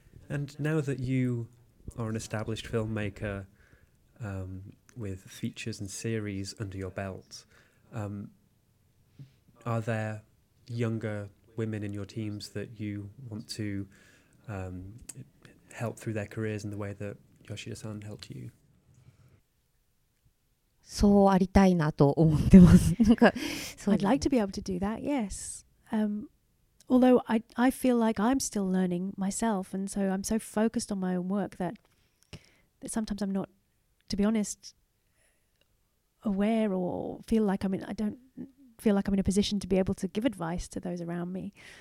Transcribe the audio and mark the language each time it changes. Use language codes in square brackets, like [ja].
[en] And now that you are an established filmmaker with features and series under your belt, are there younger women in your teams that you want to help through their careers in the way that Yoshida-san helped you? [ja] そうありたいなと思ってます。なんか、そう。 [en] I'd like to be able to do that, yes. Although I feel like I'm still learning myself, and so I'm so focused on my own work that sometimes I'm not, to be honest, aware or feel like I'm in, I don't feel like I'm in a position to be able to give advice to those around me.